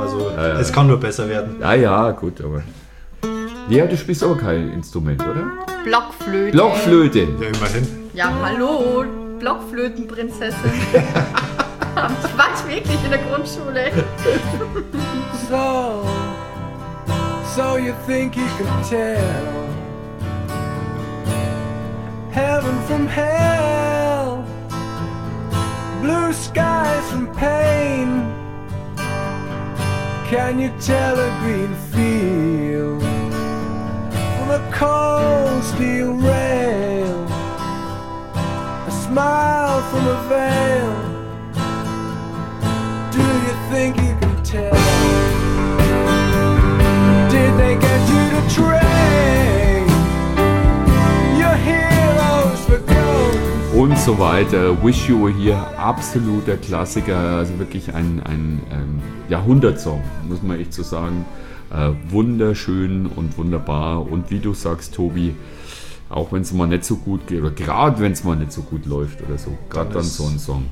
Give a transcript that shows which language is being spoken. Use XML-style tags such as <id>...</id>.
<de>Also es kann nur besser werden. Gut, aber. Ja, du spielst auch kein Instrument, oder? Blockflöte. Blockflöte. Ja, immerhin. Ja, hallo, Blockflötenprinzessin. Quatsch, wirklich, in der Grundschule.</de> <en>So you think you can tell heaven from hell, blue skies from pain. Can you tell a green field from a cold steel rail, a smile from a veil? Think you can tell? Did they get you to train your heroes for gold?</en> <de>Und so weiter. Wish You Were Here, absoluter Klassiker, also wirklich ein Jahrhundertsong, muss man echt so sagen. Wunderschön und wunderbar. Und wie du sagst, Tobi, auch wenn es mal nicht so gut geht, oder gerade wenn es mal nicht so gut läuft oder so, gerade dann so ein Song.</de>